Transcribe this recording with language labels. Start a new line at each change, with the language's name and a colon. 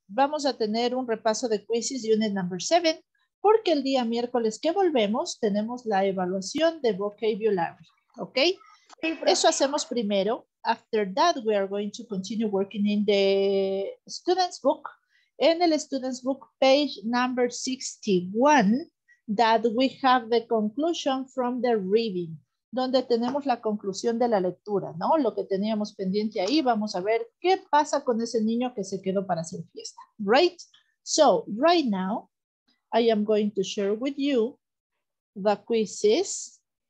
Spanish: Vamos a tener un repaso de quizzes
English: unit number 7,
Spanish: porque el día miércoles que volvemos tenemos la evaluación de vocabulary. ¿Ok? Eso hacemos primero.
English: After that, we are going to continue working in the student's book.
Spanish: En el
English: student's book, page number 61, that we have the conclusion from the reading,
Spanish: donde tenemos la conclusión de la lectura,
English: ¿no?
Spanish: Lo que teníamos pendiente ahí, vamos a ver qué pasa con ese niño que se quedó para hacer fiesta, right?
English: So, right now, I am going to share with you the quizzes.